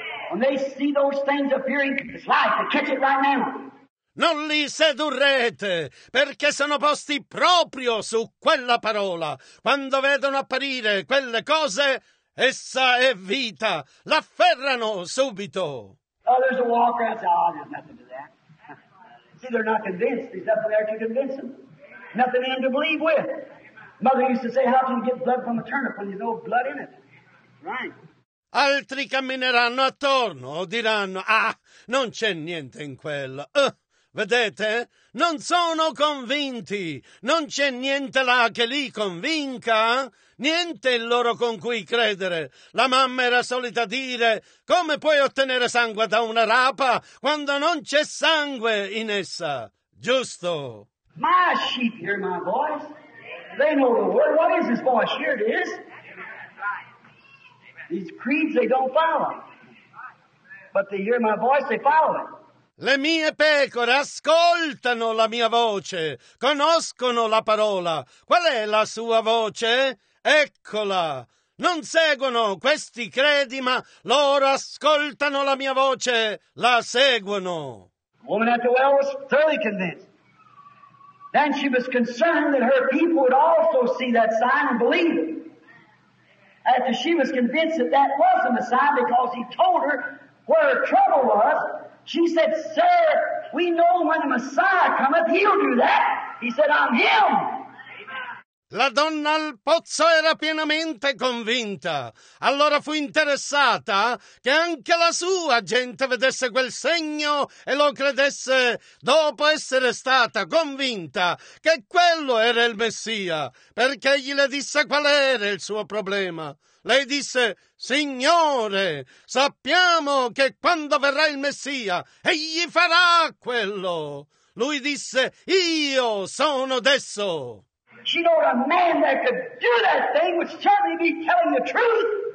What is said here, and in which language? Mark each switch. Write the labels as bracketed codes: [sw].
[en] When they see those things appearing, it's life, they catch it right now. [it] Non li sedurrete, perché sono posti proprio su quella parola. Quando vedono apparire quelle cose, essa è vita. L'afferrano subito. [en] Oh, there's a walker. I said, oh, there's nothing to that. See, they're not convinced. There's nothing there to convince them. Nothing in to believe with. Mother used to say, how can you get blood from a turnip when there's no blood in it? Right. [it] Altri cammineranno attorno o diranno, ah, non c'è niente in quello. Vedete? Non sono convinti. Non c'è niente là che li convinca. Niente in loro con cui credere. La mamma era solita dire, come puoi ottenere sangue da una rapa quando non c'è sangue in essa? Giusto? [en] My sheep hear my voice. They know the word. What is this voice? Here it is. These creeds they don't follow, but they hear my voice, they follow it. [it] Le mie pecore ascoltano la mia voce, conoscono la parola. Qual è la sua voce? Eccola. Non seguono questi credi, ma loro ascoltano la mia voce, la seguono. [en] The woman at the well was thoroughly convinced. Then she was concerned that her people would also see that sign and believe it. After she was convinced that that was the Messiah because he told her where her trouble was, she said, sir, we know when the Messiah cometh, he'll do that. He said, I'm him. [it] La donna al pozzo era pienamente convinta. Allora fu interessata che anche la sua gente vedesse quel segno e lo credesse dopo essere stata convinta che quello era il Messia, perché gli le disse qual era il suo problema. Lei disse, Signore, sappiamo che quando verrà il Messia, egli farà quello. Lui disse, io sono adesso. [en] She knows a man that could do that thing would certainly be telling the truth.